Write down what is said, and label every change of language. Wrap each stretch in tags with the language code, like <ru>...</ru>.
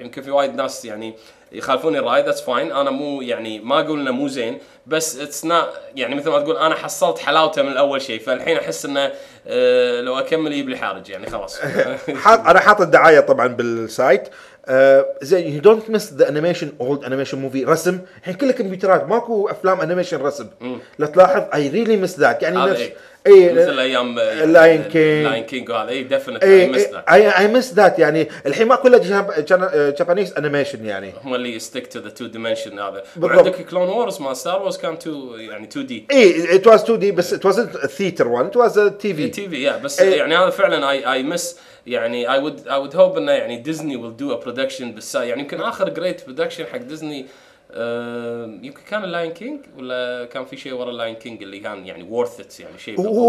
<ar>يمكن في وايد ناس يعني يخالفوني الرأي،</ar> <en>that's fine.</en> <ar>أنا مو يعني ما أقول إنه مو زين، بس</ar> <en>it's not</en> <ar>يعني مثل ما تقول أنا حصلت حلاوته من الأول شيء، فالحين أحس إنه لو أكمل يجيب لي حرج يعني خلاص. أنا حاط الدعاية طبعًا بالسايت. زين</ar> <en>you don't miss the animation old animation movie</en> <ar>رسم. الحين كل الكمبيوترات ماكو أفلام animation رسم. لا تلاحظ</ar> <en>I really miss that.</en> <ar>يعني نفس أي مثل أيام</ar> <en>Lion King. Lion King</en> <ar>وهذا أي</ar> <en>definitely I miss that.</en> <ar>يعني الحين ما كله جابانيز animation يعني. هم اللي</ar> <en>stick to the two dimension</en> <ar>هذا. وعندك Clone Wars ما Star Wars كان two يعني 2D.</ar> <en>إيه it was 2D بس it wasn't a theater one. It was a TV. A TV yeah.</en> <ar>بس يعني هذا فعلًا</ar> <en>I miss.</en> <ar>يعني</ar> <en>I would hope</en> <ar>إنه يعني ديزني</ar> <en>will do a production</en> <ar>بس يعني يمكن آخر</ar> <en>great production</en> <ar>حق ديزني يمكن كان اللاين كينج، ولا كان في شيء وراء اللاين كينج اللي كان يعني</ar> <en>worth it</en> <ar>يعني شيء.</ar>